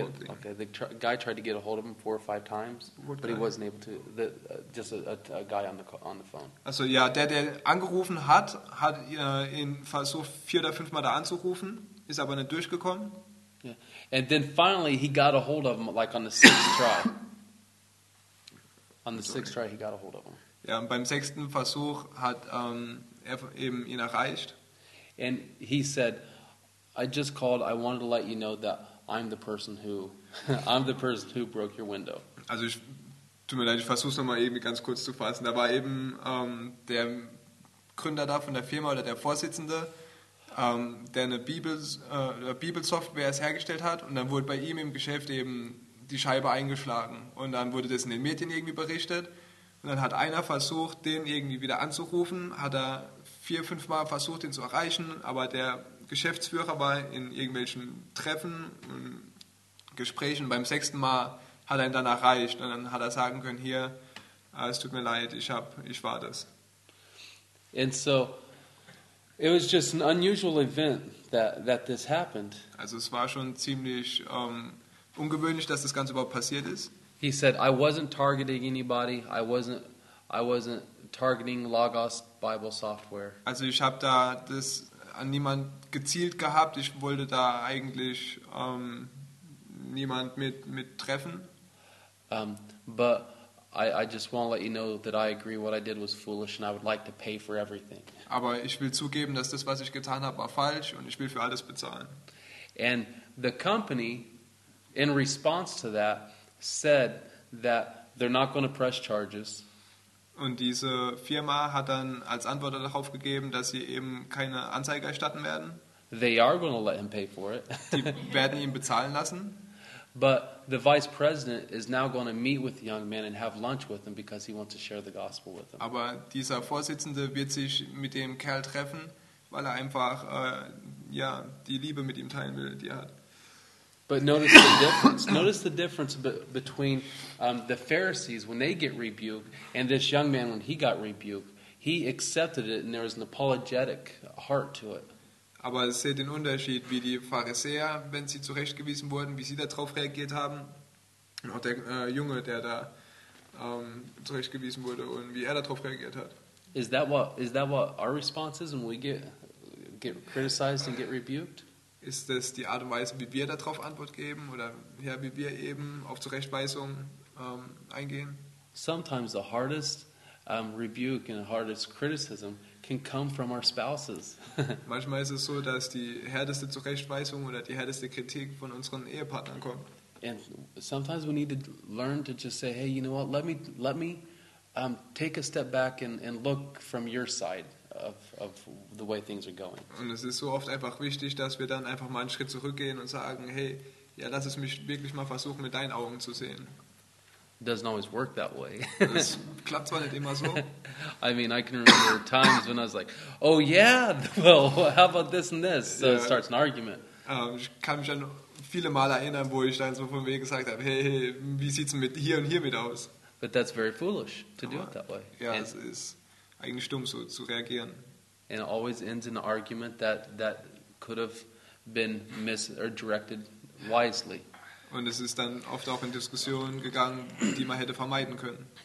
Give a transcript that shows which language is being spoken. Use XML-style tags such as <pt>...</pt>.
<en>The guy tried to get a hold of him four or five times, but he wasn't able to. Just a guy on the phone.</en> <de>Also ja, der angerufen hat, hat ihn versucht vier oder fünfmal da anzurufen, ist aber nicht durchgekommen.</de> <en>Yeah. And then finally he got a hold of him like on the sixth try. On the sixth try he got a hold of him.</en> <de>Ja, und beim sechsten Versuch hat er eben ihn erreicht.</de> <en>And he said, I just called, I wanted to let you know that I'm the person who broke your window.</en> <de>Also ich tut mir leid, ich versuch's nochmal eben ganz kurz zu fassen. Da war eben der Gründer da von der Firma oder der Vorsitzende, der eine Bibelsoftware hergestellt hat und dann wurde bei ihm im Geschäft eben die Scheibe eingeschlagen und dann wurde das in den Medien irgendwie berichtet und dann hat einer versucht, den irgendwie wieder anzurufen, hat er vier, fünf Mal versucht, ihn zu erreichen, aber der Geschäftsführer war in irgendwelchen Treffen und Gesprächen. Beim sechsten Mal hat er ihn dann erreicht und dann hat er sagen können, hier, es tut mir leid, ich war das.</de> <en>And so, it was just an unusual event that this happened.</en> <de>Also es war schon ziemlich ungewöhnlich, dass das Ganze überhaupt passiert ist.</de> <en>He said, I wasn't targeting anybody, I wasn't targeting Lagos Bible software.</en> <de>Also ich habe da das an niemand gezielt gehabt. Ich wollte da eigentlich niemand mit treffen.</de> <en>But I just want to let you know that I agree what I did was foolish and I would like to pay for everything.</en> <de>Aber ich will zugeben, dass das, was ich getan habe, war falsch und ich will für alles bezahlen.</de> <en>And the company, in response to that, said that they're not going to press charges.</en> <de>Und diese Firma hat dann als Antwort darauf gegeben, dass sie eben keine Anzeige erstatten werden.</de> <en>They are going to let him pay for it.</en> <de>Die werden ihn bezahlen lassen.</de> <en>But the vice president is now going to meet with the young man and have lunch with him because he wants to share the gospel with him.</en> <de>Aber dieser Vorsitzende wird sich mit dem Kerl treffen, weil er einfach die Liebe mit ihm teilen will, die er hat.</de> <en>But notice the difference. Notice the difference between the Pharisees when they get rebuked and this young man when he got rebuked. He accepted it and there was an apologetic heart to it.</en> <de>Aber seht den Unterschied, wie die Pharisäer, wenn sie zurechtgewiesen wurden, wie sie darauf reagiert haben. Und auch der Junge, der da zurechtgewiesen wurde und wie er darauf reagiert hat.</de> <en>Is that what our response is when we get criticized and get rebuked?</en> <de>Ist das die Art und Weise, wie wir darauf Antwort geben oder ja, wie wir eben auf Zurechtweisung eingehen?</de> <en>Sometimes the hardest rebuke and the hardest criticism can come from our spouses.</en> <de>Manchmal ist es so, dass die härteste Zurechtweisung oder die härteste Kritik von unseren Ehepartnern kommt.</de> <en>And sometimes we need to learn to just say, hey, you know what? Let me take a step back and look from your side. Of the way things are going.</en> <de>Und es ist so oft einfach wichtig, dass wir dann einfach mal einen Schritt zurückgehen und sagen, hey, ja, lass es mich wirklich mal versuchen, mit deinen Augen zu sehen.</de> <en>Doesn't always work that way.</en> <de>Das klappt zwar nicht immer so.</de> <en>I mean, I can remember times when I was like, oh yeah, well, how about this and this? So it starts an argument.</en> <de>Ich kann mich an viele Male erinnern, wo ich dann so von mir gesagt habe, hey, wie sieht's mit hier und hier mit aus?</de> <en>But that's very foolish to do it that way.</en> <de>Ja, es ist eigentlich dumm, so zu reagieren.</de> <en>And it always ends in an argument that could have been missed or directed wisely.</en> <de>Und es ist dann oft auch in Diskussionen gegangen, die man hätte vermeiden können.</de>